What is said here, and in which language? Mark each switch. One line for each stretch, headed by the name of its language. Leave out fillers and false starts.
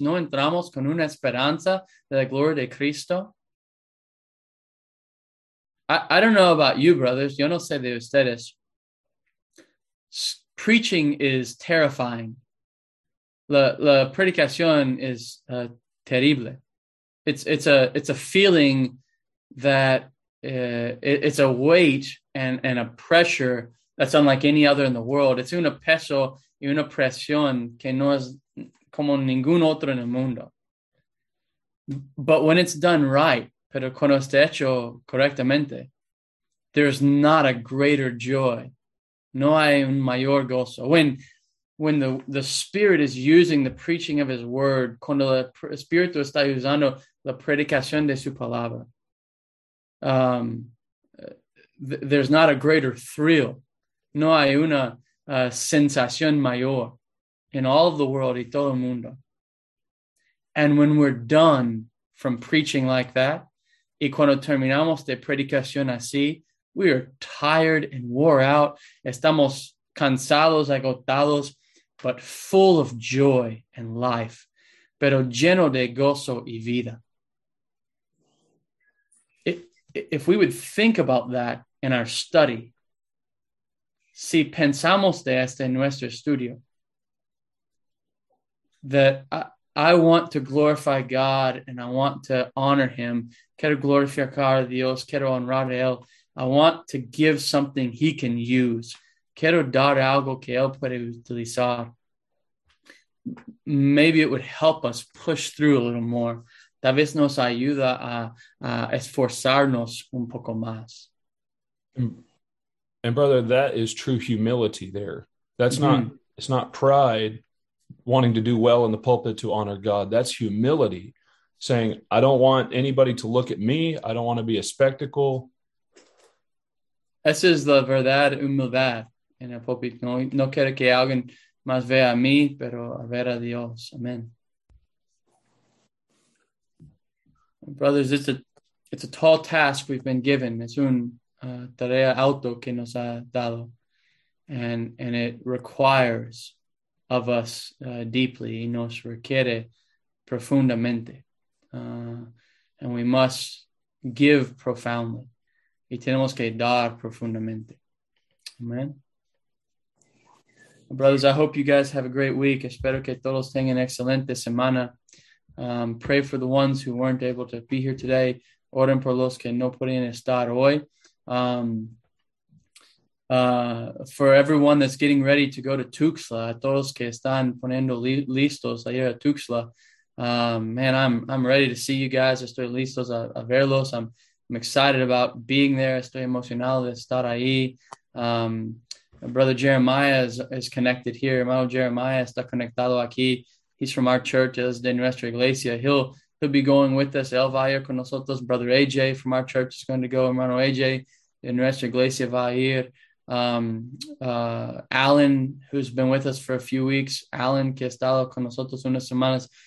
Spanish: ¿No entramos con una esperanza de la gloria de Cristo?
English: I don't know about you, brothers.
Spanish: Yo no sé de ustedes.
English: Preaching is terrifying.
Spanish: La predicación
English: is terrible. It's a feeling that it's a weight and a pressure That's unlike any other in the world.
Spanish: It's un peso y una presión que no es como ningún otro en el mundo.
English: But when it's done right,
Spanish: pero cuando está hecho correctamente,
English: there's not a greater joy.
Spanish: No hay un mayor gozo.
English: When the Spirit is using the preaching of His Word,
Spanish: cuando el Espíritu está usando la predicación de su palabra,
English: there's not a greater thrill.
Spanish: No hay una sensación mayor
English: in all of the world
Spanish: y todo el mundo.
English: And when we're done from preaching like that,
Spanish: y cuando terminamos de predicación así,
English: we are tired and wore out.
Spanish: Estamos cansados, agotados,
English: but full of joy and life.
Spanish: Pero lleno de gozo y vida.
English: If we would think about that in our study,
Spanish: si pensamos de este en nuestro estudio,
English: that I want to glorify God and I want to honor Him.
Spanish: Quiero glorificar a Dios, quiero honrar a Él.
English: I want to give something He can use.
Spanish: Quiero dar algo que Él puede utilizar.
English: Maybe it would help us push through a little more.
Spanish: Tal vez nos ayuda a esforzarnos un poco más.
English: And brother, that is true humility there. That's not, it's not pride wanting to do well in the pulpit to honor God. That's humility saying, I don't want anybody to look at me. I don't want to be a spectacle.
Spanish: Esa es la verdad, humildad en el pulpit. No quiero que alguien más vea a mí, pero a ver a Dios.
English: Amen. Brothers, it's a tall task we've been given.
Spanish: It's un tarea alto que nos ha dado.
English: And it requires of us deeply.
Spanish: Y nos requiere profundamente.
English: And we must give profoundly.
Spanish: Y tenemos que dar profundamente.
English: Amen. Brothers, I hope you guys have a great week.
Spanish: Espero que todos tengan excelente semana.
English: Pray for the ones who weren't able to be here today.
Spanish: Oren por los que no pueden estar hoy.
English: For everyone that's getting ready to go to Tuxtla,
Spanish: a todos que están poniendo listos a ir a Tuxtla,
English: man, I'm ready to see you guys.
Spanish: Estoy listos a verlos.
English: I'm excited about being there.
Spanish: Estoy emocionado de estar ahí.
English: Brother Jeremiah is connected here.
Spanish: Hermano Jeremiah está conectado aquí.
English: He's from our church.
Spanish: Es de nuestra iglesia.
English: He'll be going with us.
Spanish: Él va a ir con nosotros.
English: Brother AJ from our church is going to go.
Spanish: Hermano AJ de nuestra iglesia va a ir.
English: Alan, who's been with us for a few weeks.
Spanish: Alan, que ha estado con nosotros unas semanas.